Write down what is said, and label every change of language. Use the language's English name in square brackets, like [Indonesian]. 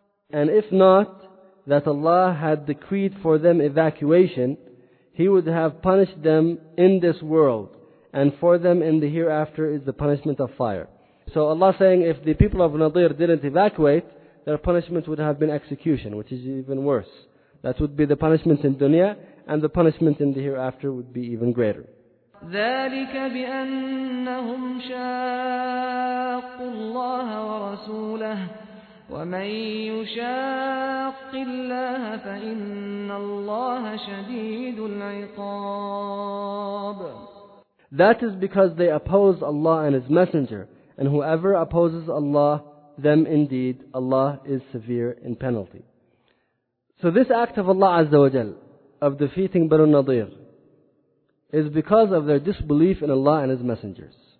[English] And if not that Allah had decreed for them evacuation, He would have punished them in this world, and for them in the hereafter is the punishment of fire. So Allah saying, if the people of Nadir didn't evacuate, their punishment would have been execution, which is even worse. That would be the punishment in dunya, and the punishment in the hereafter would be even greater. [Arabic] ذلك بأنهم شاقوا الله ورسوله ومن يشاق الله فإن الله شديد العقاب. [English] That is because they oppose Allah and His Messenger, and whoever opposes Allah, them indeed, Allah is severe in penalty. So this act of Allah Azza wa Jal of defeating Banu Nadir is because of their disbelief in Allah and His Messengers.